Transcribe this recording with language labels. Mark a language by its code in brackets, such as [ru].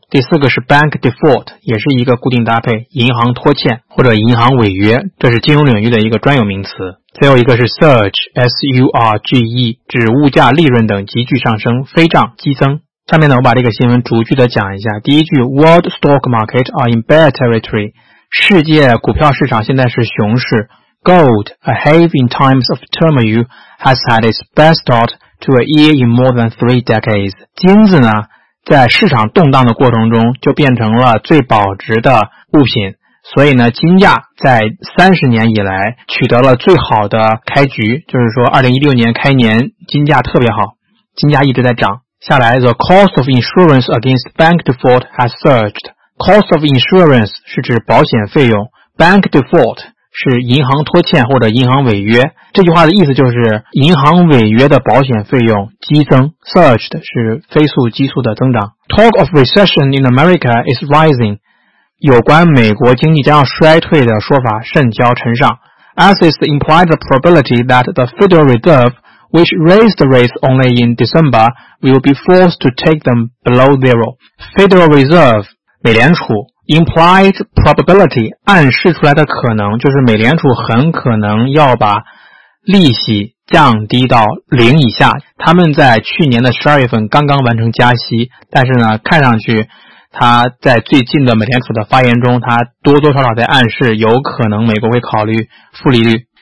[zh] 第四个是 bank default， 也是一个固定搭配，银行拖欠或者银行违约，这是金融领域的一个专有名词。最后一个是 surge， S-U-R-G-E， 指物价、利润等急剧上升，飞涨、激增。下面呢，我把这个新闻逐句的讲一下。第一句 [en] ,World stock market are in bear territory. [zh] 世界股票市场现在是熊市。 [en] Gold, a haven in times of turmoil, has had its best start to a year in more than 3 decades. [zh] 金子呢，在市场动荡的过程中就变成了最保值的物品。所以呢，金价在30年以来取得了最好的开局，就是说2016年开年金价特别好，金价一直在涨。下来 [en] ,the cost of insurance against bank default has surged. [zh] Cost of insurance 是指保险费用， bank default 是银行拖欠或者银行违约。这句话的意思就是银行违约的保险费用激增， surged 是飞速急速的增长。 [en] Talk of recession in America is rising. [zh] 有关美国经济将要衰退的说法甚嚣尘上。 [en] As is the implied probability that the Federal Reserve,which raised the rates only in December, will be forced to take them below zero. [zh] Federal Reserve, 美联储 implied probability, 暗示出来的可能就是美联储很可能要把利息降低到零以下。他们在去年的12月份刚刚完成加息，但是呢，看上去他在最近的美联储的发言中，他多多少少在暗示有可能美国会考虑负利率。